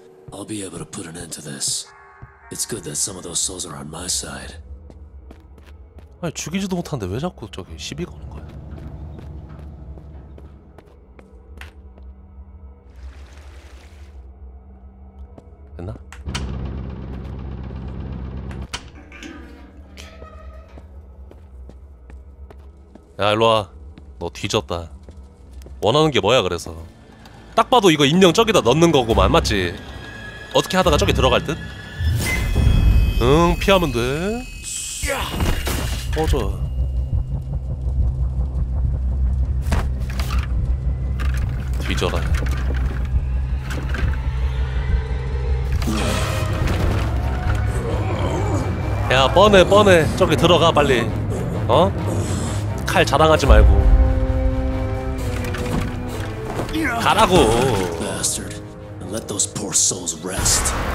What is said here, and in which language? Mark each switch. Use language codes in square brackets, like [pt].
[en] I'll be able to put an end to this. It's good that some of those souls are on my side. [ko] 아니 죽이지도 못하는데 왜 자꾸 저기 시비 거는 거야? 됐나? 야 일로와. 너 뒤졌다. 원하는 게 뭐야 그래서. 딱 봐도 이거 인형 저기다 넣는 거구만. 맞지? 어떻게 하다가 저기 들어갈 듯? 응 피하면 돼. 꺼져. 뒤져라. 야 뻔해 뻔해. 저기 들어가 빨리. 어? 칼 자랑하지 말고 가라고. [en] Bastard. And let those poor souls rest.